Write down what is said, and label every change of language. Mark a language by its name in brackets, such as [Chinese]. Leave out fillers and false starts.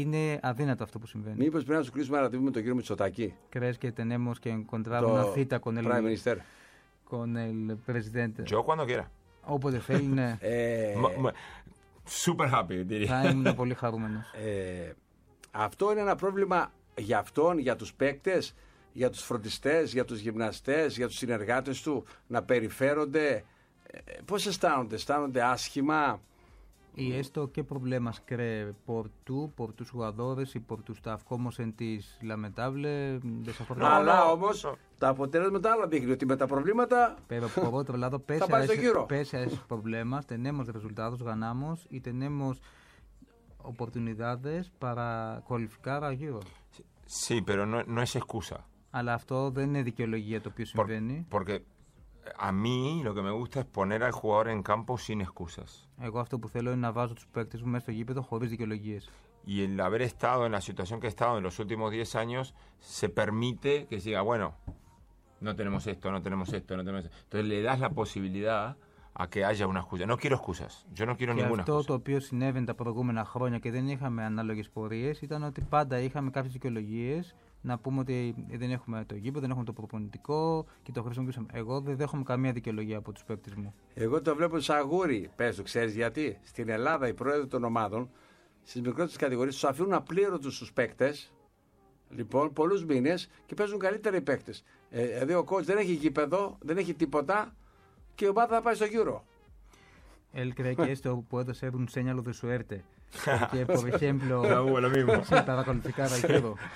[Greek] είναι αδύνατο αυτό που συμβαίνει. Μήπως πρέπει να σου κλείσουμε ένα ραντεβού με τον κύριο Μητσοτάκη. [Spanish] Crees que tenemos que encontrar una cita con el [English] Prime Minister. [Spanish] Con el presidente. Yo cuando quiera. [Greek] Όποτε θέλει, ναι. [English] Super happy, diría. [Greek] Θα ήμουν πολύ χαρούμενος. Αυτό είναι ένα πρόβλημα για αυτόν, για τους παίκτες, για τους φροντιστές, για τους γυμναστές, για τους συνεργάτες του, να περιφέρονται. Πώς αισθάνονται άσχημα. [Spanish] Y esto, ¿qué problemas cree por tú, por tus jugadores y por tu staff? ¿Cómo sentís lamentable, desafortunado? [Greek] Αλλά όμως, τα αποτελέσματα άλλα δείχνουν ότι με τα προβλήματα. [Spanish] Pero por otro lado, pese a esos problemas, tenemos resultados, ganamos y tenemos oportunidades para cualificar a Giro. Sí, pero no es excusa. [Greek] Αλλά αυτό δεν είναι δικαιολογία το οποίο συμβαίνει. [Spanish] Porque a mí lo que me gusta es poner al jugador en campo sin excusas. [Greek] Εγώ αυτό που θέλω είναι να βάζω τους παίκτες μου μέσα στο γήπεδο χωρίς δικαιολογίες. [Spanish] Y el haber estado en la situación que he estado en los últimos 10 años se permite que diga, bueno, no tenemos esto, no tenemos esto, no tenemos esto. Entonces le das la posibilidad a que haya una excusa. No quiero excusas. Yo no quiero ninguna excusa. [Greek] Και αυτό το οποίο συνέβαινε τα προηγούμενα χρόνια και δεν είχαμε ανάλογες πορείες ήταν ότι πάντα είχαμε κάποιες δικαιολογίες. Να πούμε ότι δεν έχουμε το γήπεδο, δεν έχουμε το προπονητικό και το χρησιμοποιήσαμε. Εγώ δεν δέχομαι καμία δικαιολογία από τους παίκτες μου. Εγώ το βλέπω σαν αγούρι. Πες το, ξέρεις γιατί. Στην Ελλάδα οι πρόεδροι των ομάδων στις μικρότερες κατηγορίες τους αφήνουν απλήρωτους τους παίκτες. Λοιπόν, πολλούς μήνες και παίζουν καλύτερα οι παίκτες. Δηλαδή ο coach δεν έχει γήπεδο, δεν έχει τίποτα και η ομάδα θα πάει στο γύρο. [Spanish] Él cree que esto puede ser un señal de suerte. Que, por ejemplo, lo mismo. Se estaba calificado al juego.